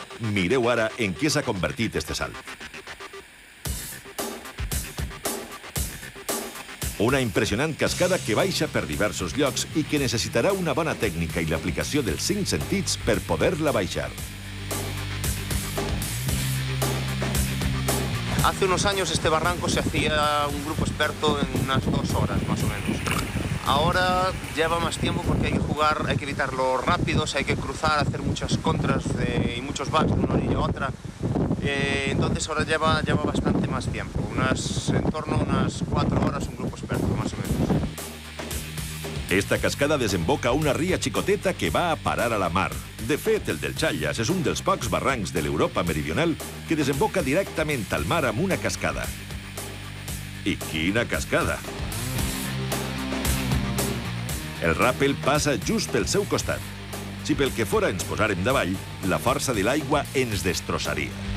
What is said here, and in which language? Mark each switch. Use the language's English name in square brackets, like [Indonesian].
[Catalan] Mireu ara en què s'ha convertit este salt. Una impressionant cascada que baixa per diversos llocs i que necessitarà una bona tècnica i l'aplicació dels cinc sentits per poder-la baixar. [Spanish] Hace unos años este barranco se hacía un grupo experto en unas 2 horas, más o menos. Ahora lleva más tiempo porque hay que jugar, hay que evitar los rápidos, hay que cruzar, hacer muchas contras y muchos backs de una línea a otra. Entonces ahora lleva bastante más tiempo, en torno a unas 4 horas un grupo experto, más o menos. Esta cascada desemboca una ría xicoteta que va a parar a la mar. [Catalan] De fet, el del Xalles és un dels pocs barrancs de l'Europa meridional que desemboca directament al mar amb una cascada. I quina cascada! El ràpel passa just pel seu costat. Si pel que fora ens posàrem davall, la força de l'aigua ens destrossaria.